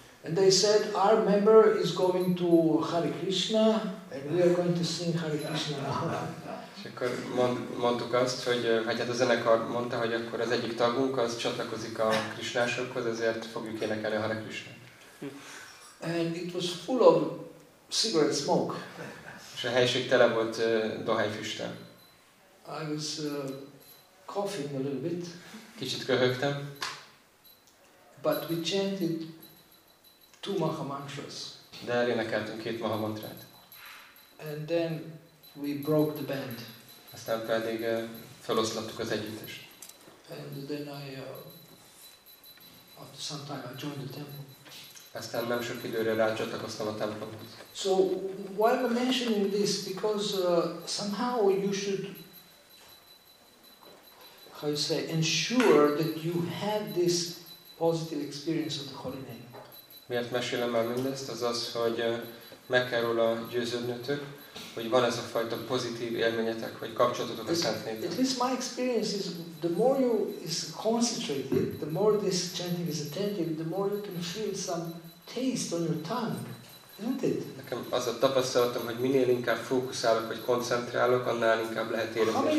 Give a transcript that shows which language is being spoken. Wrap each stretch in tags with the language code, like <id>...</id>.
<en>And they said our member is going to Hare Krishna and we are going to sing Hare Krishna.</en> <hu>És akkor mondtuk azt, hogy hát a zenekar mondta, hogy akkor az egyik tagunk az csatlakozik a krisnásokhoz, ezért fogjuk énekelni a Hare Krishna.</hu> <en>And it was full of cigarette smoke.</en> <hu>És a helyiség tele volt dohányfüsttel.</hu> <en>I was coughing a little bit.</en> <hu>Kicsit köhögtem.</hu> <en>But we chanted two maha mantras.</en> <hu>De elénekeltünk két maha mantrát.</hu> <en>And then we broke the band.</en> <hu>Aztán pedig feloszlattuk az együttest.</hu> <en>And then I after some time I joined the temple.</en> <hu>Aztán nem sok időre rá csatlakoztam a templomhoz.</hu> <en>So why am I mentioning this? Because somehow you should, how you say, ensure that you had this positive experience of the holy name.</en> <hu>Miért mesélem el mindezt? Az, hogy meg kell róla győződnötök, hogy van ez a fajta pozitív élményetek, hogy kapcsolatotok a Szent Névvel.</hu> <en>At least my experience is, the more you is concentrated, the more this chanting is attentive, the more you can feel some taste on your tongue, isn't it?</en> <hu>Nekem az a tapasztalatom, hogy minél inkább fókuszálok, vagy koncentrálok, annál inkább lehet érni egyfajta ízt.</hu>